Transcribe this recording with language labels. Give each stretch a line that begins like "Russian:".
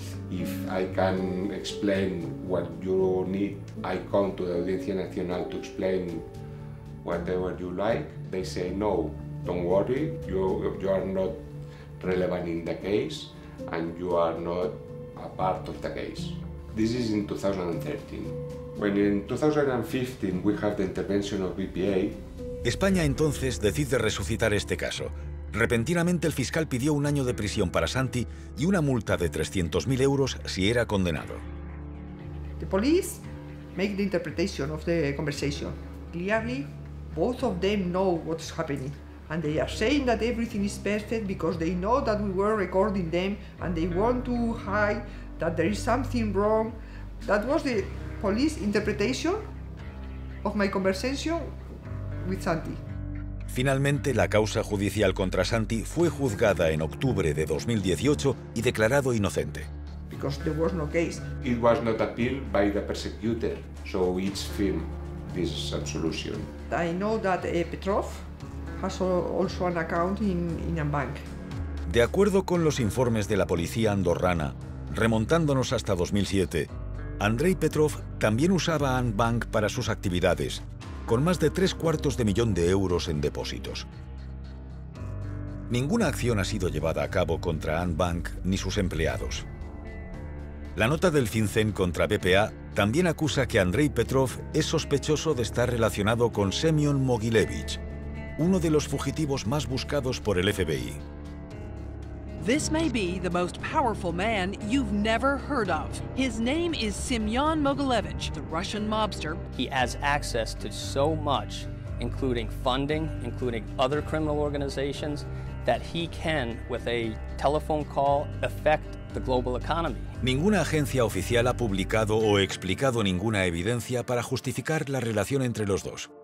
English: If I can explain what you need, I come to the Audiencia Nacional to explain whatever you like. They say no. Don't worry, you are not relevant in the case and you are not a part of the case. This is in 2013. When in 2015 we have the intervention of BPA.
Spanish: España entonces decide resucitar este caso. Repentinamente el fiscal pidió un año de prisión para Santi y una multa de 300.000 euros si era condenado.
English: The police make the interpretation of the conversation. Clearly, both of them know what's happening. And they are saying that everything is perfect because they know that we were recording them and they want to hide that there is something wrong. That was the police interpretation of my conversation with Santi.
Spanish: Finalmente, la causa judicial contra Santi fue juzgada en octubre de 2018 y declarado inocente.
English: Because there was no case. It was not appealed by the prosecutor, so it's firm, this absolution. I know that Petrov has also an account in a bank.
Spanish: De acuerdo con los informes de la policía andorrana, remontándonos hasta 2007, Andrei Petrov también usaba a Andbank para sus actividades, con más de 750.000 de euros en depósitos. Ninguna acción ha sido llevada a cabo contra Andbank ni sus empleados. La nota del FinCEN contra BPA también acusa que Andrei Petrov es sospechoso de estar relacionado con Semyon Mogilevich, uno de los fugitivos más buscados por el FBI.
English: This may be the most powerful man you've never heard of. His name is Semyon Mogilevich, the Russian mobster. He has access to so much, including funding, including other criminal organizations, that he can, with a telephone call, affect the global economy.
Spanish: Ninguna agencia oficial ha publicado o explicado ninguna evidencia para justificar la relación entre los dos.